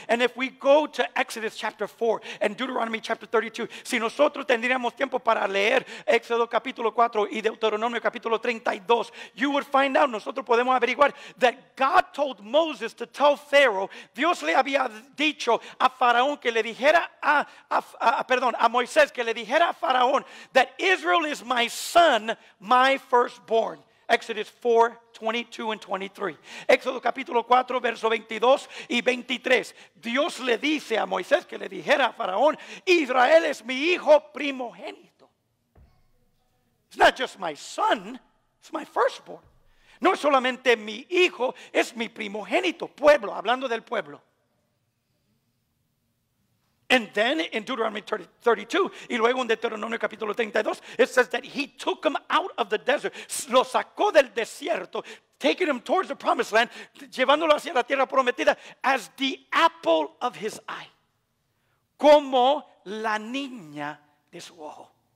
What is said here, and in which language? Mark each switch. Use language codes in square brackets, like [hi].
[en] And if we go to Exodus chapter 4 and Deuteronomy chapter 32, [es] si nosotros tendríamos tiempo para leer Éxodo capítulo 4 y Deuteronomio capítulo 32, [en] you would find out, [es] nosotros podemos averiguar, [en] that God told Moses to tell Pharaoh, [es] Dios le había dicho a Faraón que le dijera a Moisés que le dijera a Faraón, [en] that Israel is my son, my firstborn. Exodus 4, 22 and 23. [es] Éxodo capítulo 4, verso 22 y 23. Dios le dice a Moisés que le dijera a Faraón, Israel es mi hijo primogénito. [en] It's not just my son, it's my firstborn. [es] No es solamente mi hijo, es mi primogénito, pueblo, hablando del pueblo. [en] And then in Deuteronomy 32, [es] y luego en Deuteronomio capítulo 32, [en] it says that he took him out of the desert, [es] lo sacó del desierto, [en] taking him towards the promised land, [es] llevándolo hacia la tierra prometida, [en] as the apple of his eye, [es] como la niña de su ojo.